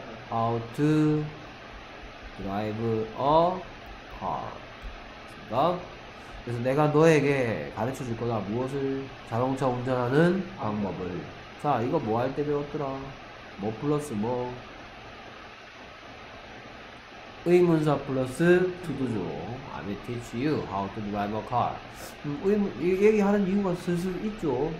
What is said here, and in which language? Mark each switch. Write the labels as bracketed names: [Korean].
[English] How to drive a car. [Korean] 그래서 내가 너에게 가르쳐 줄 거다. 무엇을? 자동차 운전하는 방법을. 자, 이거 뭐할때 배웠더라? 뭐 플러스 뭐? 의문사 플러스 to도죠. [English] I will teach you how to drive a car. [Korean] 얘기하는 이유가 슬슬 있죠.